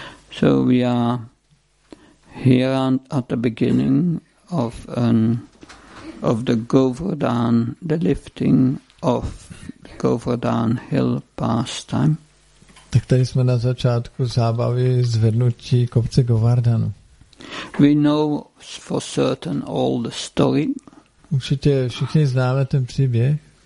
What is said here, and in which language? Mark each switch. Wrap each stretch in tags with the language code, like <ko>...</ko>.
<en>So we are here at the beginning of the Govardhan, the lifting of Govardhan Hill pastime.</en> <cs>Tak tady jsme na začátku zábavy zvednutí kopce Govardhanu.</cs> <en>We know for certain all the story.</en> <cs>Určitě všichni známe ten příběh.</cs>